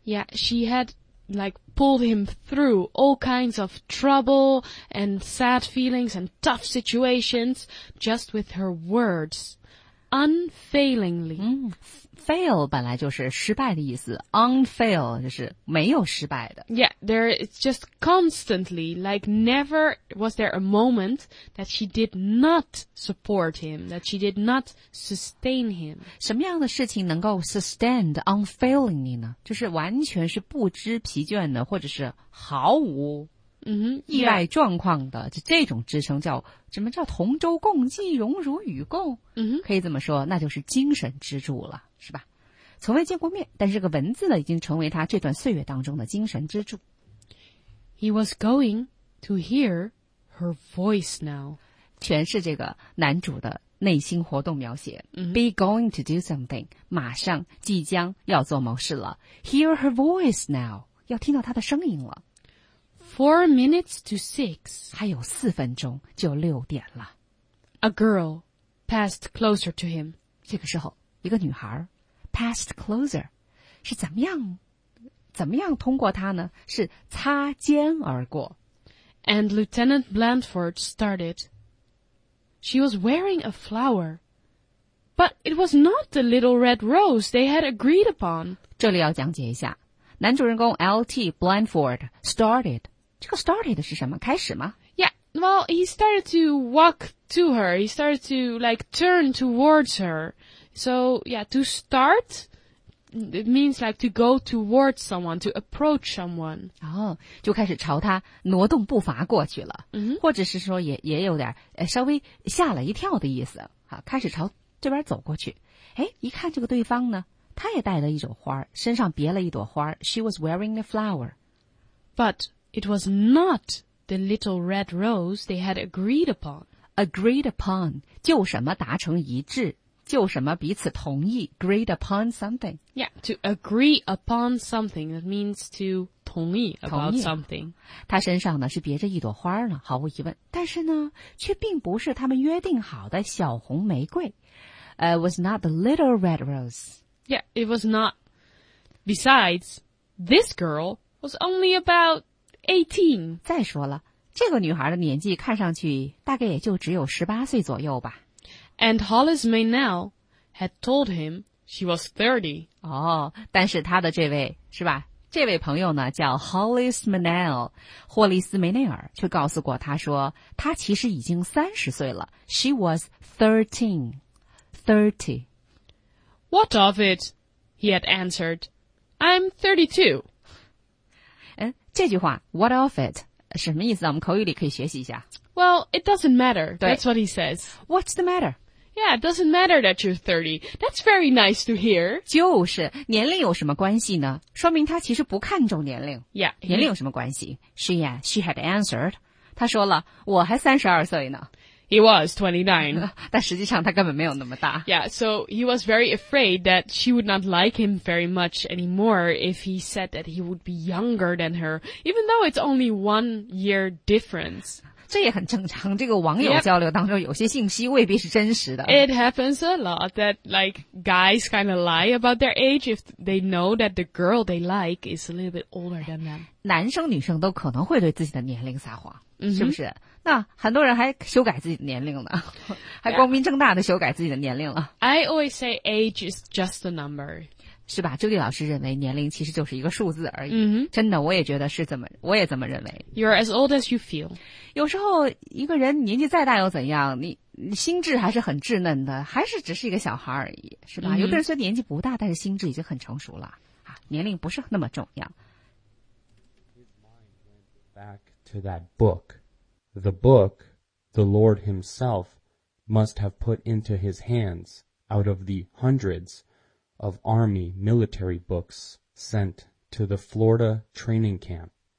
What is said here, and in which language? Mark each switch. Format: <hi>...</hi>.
<en>Yeah, she had... Like, pulled him through all kinds of trouble and sad feelings and tough situations just with her words. Unfailingly.、</en> <zh>嗯、fail 本来就是失败的意思 Unfail 就是没有失败的</zh> <en>Yeah, there is just constantly, like, never was there a moment that she did not support him, that she did not sustain him.</en> <zh>什么样的事情能够</zh> <en>sustain unfailingly</en> <zh>呢？就是完全是不知疲倦的，或者是毫无意外状况的、</zh> <en>mm-hmm. yeah.</en> <zh>这种支撑叫什么叫同舟共济荣辱与共、 mm-hmm. 可以这么说那就是精神支柱了是吧从未见过面但是个文字呢已经成为他这段岁月当中的精神支柱</zh> <en>He was going to hear her voice now</en> <zh>全是这个男主的内心活动描写、 mm-hmm.</zh> <en>Be going to do something</en> <zh>马上即将要做某事了</zh> <en>Hear her voice now</en> <zh>要听到她的声音了</zh> <en>4 minutes to 6.</en> <zh>还有四分钟就六点了。</zh> <en>A girl passed closer to him.</en> <zh>这个时候一个女孩</zh> <en>passed closer,</en> <zh>是怎么样通过她呢是擦肩而过。</zh> <en>And Lieutenant Blandford started. She was wearing a flower. But it was not the little red rose they had agreed upon.</en> <zh>这里要讲解一下。男主人公 LT Blandford started. 这个 started 是什么？开始吗</zh> <en>？Yeah, well, he started to walk to her. He started to like turn towards her. So, yeah, to start it means like to go towards someone, to approach someone.</en> <zh>然后就开始朝他挪动步伐过去了， mm-hmm. 或者是说也有点稍微吓了一跳的意思。好，开始朝这边走过去。哎，一看这个对方呢，他也带了一朵花，身上别了一朵花。</zh> <en>She was wearing a flower, but. It was not the little red rose they had agreed upon. Agreed upon,</en> <zh>就什么达成一致，就什么彼此同意。</zh> <en>Agreed upon something. Yeah, to agree upon something, that means to 同意 about something.</en> <zh>他身上呢是别着一朵花呢，毫无疑问。但是呢，却并不是他们约定好的小红玫瑰。</zh> <en>Was not the little red rose. Yeah, it was not. Besides, this girl was only about... 18.</en> <zh>再说了，这个女孩的年纪看上去大概也就只有18岁左右吧。</zh> <en>And Hollis Maynell had told him she was 30.</en> <zh>哦，但是他的这位，是吧？这位朋友呢，叫 Hollis Maynell, 霍利斯梅内尔却告诉过他说，他其实已经30岁了。</zh> <en>She was 30. What of it? He had answered. I'm 32. 这句话 what of it 什么意思啊？我们口语里可以学习一下。 Well, it doesn't matter. That's what he says. What's the matter? Yeah, it doesn't matter that you're 30. That's very nice to hear.</en> <zh>就是年龄有什么关系呢？说明他其实不看重年龄。</zh> <en>Yeah,</en> <zh>年龄有什么关系 ？</zh> <en>She had answered.</en> <zh>他说了，我还32岁呢。</zh> <en>He was 29.</en> <zh>但实际上他根本没有那么大。</zh> <en>Yeah, so he was very afraid that she would not like him very much anymore if he said that he would be younger than her, even though it's only 1 year difference.</en> <zh>这也很正常，这个网友交流当中有些信息未必是真实的。</zh> <en>Yep. It happens a lot that like guys kind of lie about their age if they know that the girl they like is a little bit older than them.</en> <zh>男生女生都可能会对自己的年龄撒谎。 Mm-hmm. 是不是？那很多人还修改自己的年龄呢，还光明正大的修改自己的年龄了。</zh> <en>Yeah. I always say age is just a number.</en> <zh>是吧？朱莉老师认为年龄其实就是一个数字而已。 Mm-hmm. 真的，我也觉得是怎么，我也这么认为。</zh> <en>You're as old as you feel.</en> <zh>有时候一个人年纪再大又怎样？你心智还是很稚嫩的，还是只是一个小孩而已，是吧？ Mm-hmm. 有的人虽然年纪不大，但是心智已经很成熟了啊，年龄不是那么重要。</zh> <en>His mind went back to that book, the book the Lord Himself must have put into his hands out of the hundreds. Of army military books sent to the Florida training camp.</en>